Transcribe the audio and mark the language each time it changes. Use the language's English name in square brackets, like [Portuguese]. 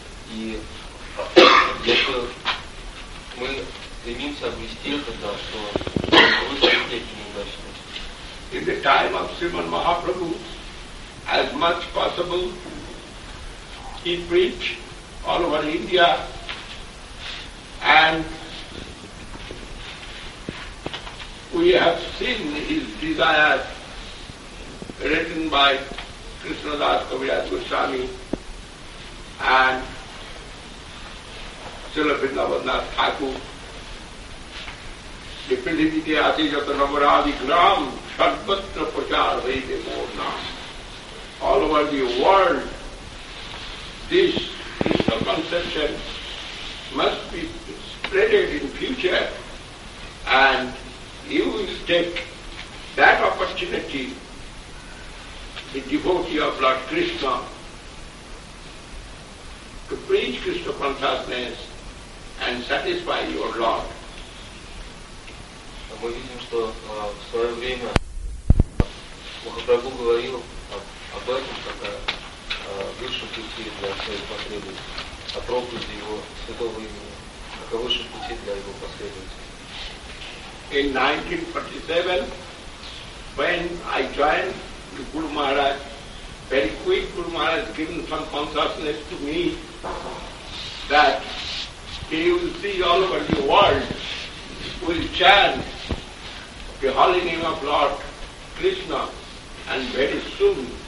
[Russian] И если мы стремимся обрести этот дар, то мы будем лететь неудачно. [English] In the time of Sriman Mahaprabhu, as much possible, he preached all over India, and we have seen his desire written by Krishna Das Kaviraj Goswami and Srila Vrindavanath Thakur, the Pindhiviti Atijata Namaradi Gram Sarvatra Pachar Vaide Morna. All over the world, this Krishna conception must be spreaded in future, and you will take that opportunity, the devotee of Lord Krishna, to preach Krishna consciousness and satisfy your Lord. [Russian] Мы видим, что в свое время Махапрабху говорил об этом, как высшем пути для своих последователей, о проповеди его святого имени, как о высшем пути для его последователей. [English] In 1947, when I joined the Guru Maharaj, very quick Guru Maharaj given some consciousness to me that he will see all over the world, will chant the holy name of Lord Krishna, and very soon